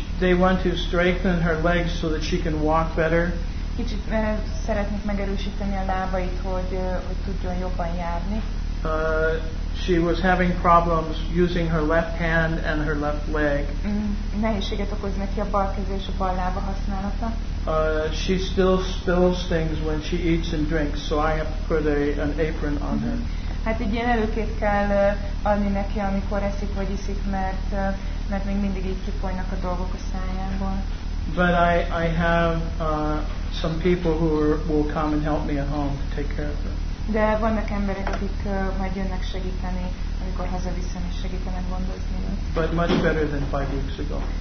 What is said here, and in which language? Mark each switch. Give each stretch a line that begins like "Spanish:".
English: They want to strengthen her legs so that she can walk better.
Hungarian: Kicsit szeretnék megerősíteni a lábait, hogy tudjon jobban járni.
English: She was having problems using her left hand and her left leg.
Hungarian: Nehézséget okoz neki a bal keze és a bal lába használata.
English: She still spills things when she eats and drinks, so I have to put an apron on her.
Hungarian: Hát egy ilyen előkét kell adni neki, amikor eszik vagy iszik, mert még mindig így kifolynak a dolgok a szájából.
English: But I have some people who will come and help me at home to take care of her.
Hungarian: De vannak emberek, akik majd jönnek segíteni, amikor hazaviszem és segítenek gondozni.
English: But much better than 5 weeks ago.